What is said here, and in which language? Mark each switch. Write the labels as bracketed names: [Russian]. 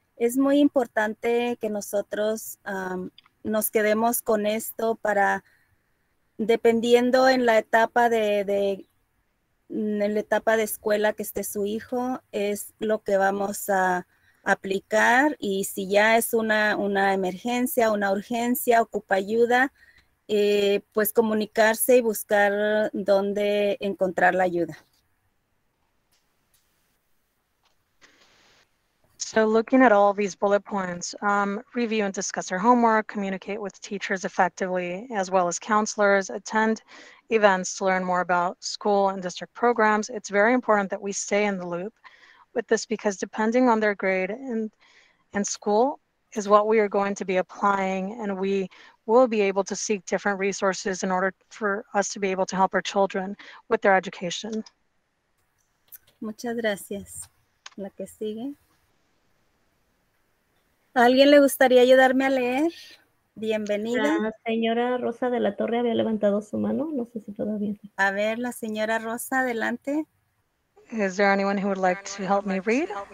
[Spanish] Es muy importante que nosotros nos quedemos con esto para, dependiendo en la etapa de escuela que esté su hijo, es lo que vamos a aplicar. Y si ya es una emergencia, una urgencia, ocupa ayuda, pues comunicarse y buscar dónde encontrar la ayuda. [English] So looking at all these bullet points, review and discuss your homework, communicate with teachers effectively, as well as counselors, attend events to learn more about school and district programs. It's very important that we stay in the loop with this because depending on their grade and and school is what we are going to be applying, and we will be able to seek different resources in order for us to be able to help our children with their education. [Spanish] Muchas gracias. La que sigue. ¿A alguien le gustaría ayudarme a leer? Bienvenida. La señora Rosa de la Torre había levantado su mano. No sé si todavía. A ver, la señora Rosa, adelante. [English] Is there anyone who would like to help me read?